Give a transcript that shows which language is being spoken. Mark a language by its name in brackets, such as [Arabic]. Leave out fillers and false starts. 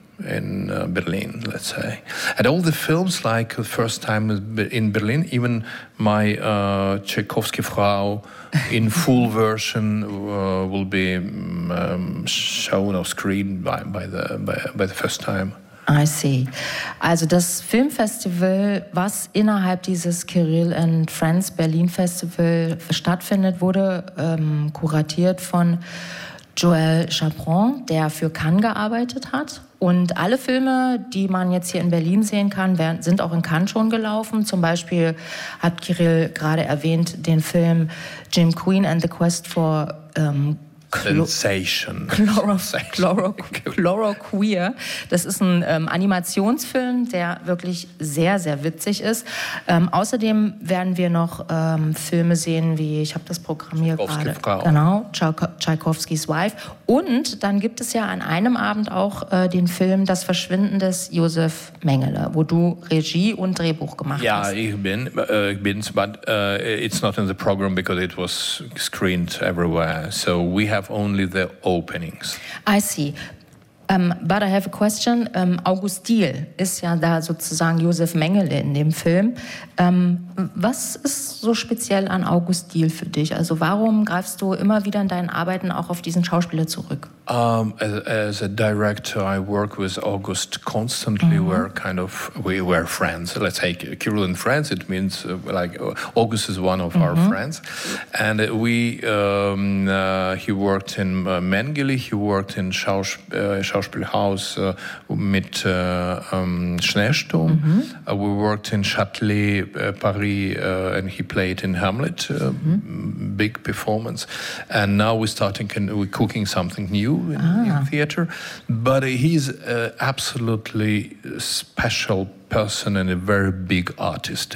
[English] in Berlin, let's say. And all the films, like the first time in Berlin, even my Tchaikovsky Frau in full version will be shown or screened by the first time. I see. [German] Also das Filmfestival, was innerhalb dieses Kirill and Friends Berlin Festival stattfindet, wurde kuratiert von Joël Chaperon, der für Cannes gearbeitet hat. Und alle Filme, die man jetzt hier in Berlin sehen kann, sind auch in Cannes schon gelaufen. Zum Beispiel hat Kirill gerade erwähnt den Film Jim Queen and the Quest for Sensation. Chloroqueer. Das ist ein Animationsfilm, der wirklich sehr, sehr witzig ist. Außerdem werden wir noch Filme sehen, wie, ich habe das Programm hier gerade. Genau, Tchaikovskys Wife. Und dann gibt es ja an einem Abend auch den Film Das Verschwinden des Josef Mengele, wo du Regie und Drehbuch gemacht ja, hast. Ja, ich bin, [English] but it's not in the program because it was screened everywhere. So we have only the openings. I see. But I have a question. [German] August Diehl ist ja da sozusagen Josef Mengele in dem Film. Was ist so speziell an August Diehl für dich? Also warum greifst du immer wieder in deinen Arbeiten auch auf diesen Schauspieler zurück? [English] As a director, I work with August constantly. Mm-hmm. We were friends. Let's say Kirill and friends. It means like August is one of mm-hmm. our friends, and he worked in Mengele. He worked in Schauspielhaus [German] mit [English] Schneesturm. Mm-hmm. We worked in Châtelet, Paris, and he played in Hamlet, mm-hmm. big performance. And now we're cooking something new. In theater, but he's absolutely special person and a very big artist.